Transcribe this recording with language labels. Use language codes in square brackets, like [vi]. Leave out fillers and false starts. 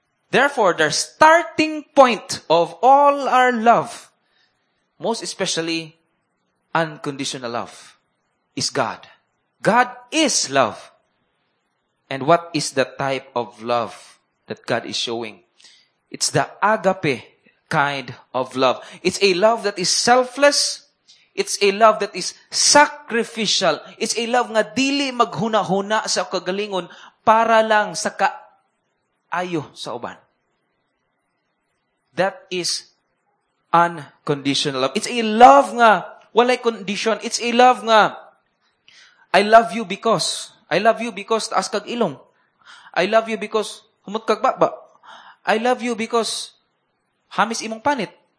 [en] Therefore, the starting point of all our love, most especially unconditional love, is God. God is love. And what is the type of love that God is showing? It's the agape kind of love. It's a love that is selfless. It's a love that is sacrificial. It's a love [ceb] nga dili maghuna-huna sa kagalingon para lang sa kaayo sa uban. [en] That is unconditional love. It's a love [ceb] nga walay condition. [en] It's a love nga I love you because [ceb] taas kag ilong. [en] I love you because [ceb] humot kag baba. [en] I love you because [ceb] hamis imong panit.